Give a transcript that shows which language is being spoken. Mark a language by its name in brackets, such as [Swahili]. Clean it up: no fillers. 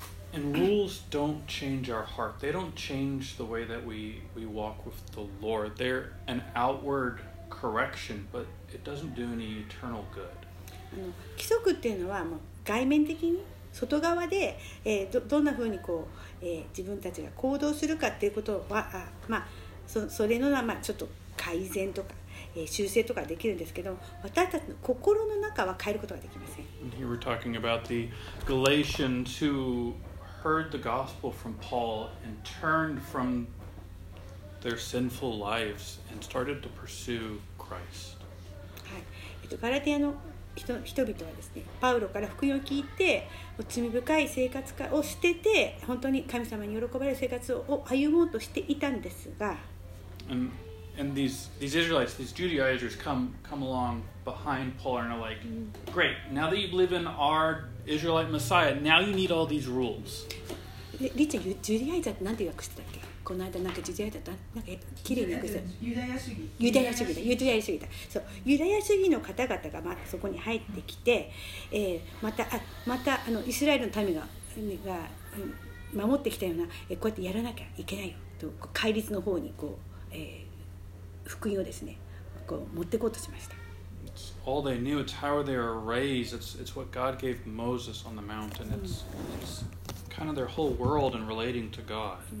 [English] And rules don't change our heart. They don't change the way that we walk with the Lord. They're an outward correction, but it doesn't do any eternal good. [Japanese] あの、規則っていうのはもう外面的に外側で、どんなふうにこう、自分たちが行動するかっていうことは、まあ、それのまあ、ちょっと改善とか、修正とかできるんですけど、私たちの心の中は変えることができません。 [English] Here we're talking about the Galatians who heard the gospel from Paul and turned from their sinful lives and started to pursue Christ. [Japanese] はい。ガラティアの 人々はですね、パウロから福音を聞いて、罪深い生活を捨てて、本当に神様に喜ばれる生活を歩もうとしていたんですが。 [English] And these Israelites, these Judaizers come along behind Paul and are like, great, now that you believe in our Israelite Messiah, now you need all these rules. [Japanese] リッチャー、ユダヤイザーって何て訳してたっけ?この間なんかユダヤ主義だ。ユダヤ主義だ。ユダヤ主義だ。そう、ユダヤ主義の方々がまあそこに入ってきて、またあのイスラエルの民がが守ってきたようなこうやってやらなきゃいけないよと戒律の方にこう、福音をですねこう持ってこうとしました。 [English] All they knew, it's how they were raised. It's what God gave Moses on the mountain. It's kind of their whole world in relating to God.